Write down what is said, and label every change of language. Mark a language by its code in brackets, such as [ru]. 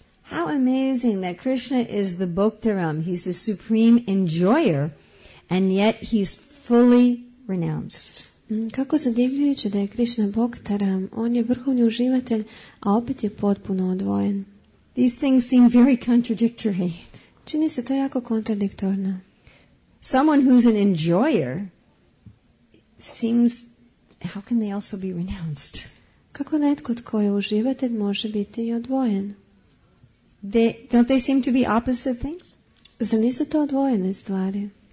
[en] How amazing that Krishna is the Bhoktaram. He's the supreme enjoyer and yet he's fully renounced. [hr] Kako zadivljujuće da je Krišna Bhoktaram. On je vrhovni uživatelj, a opet je potpuno odvojen. [en] These things seem very contradictory. [hr] Čini se to jako kontradiktorno. [en] Someone who's an enjoyer seems, how can they also be renounced? [hr] Kako netko tko je uživatelj može biti i odvojen? [en] Don't they seem to be opposite things? [hr] Zar nisu to odvojene stvari?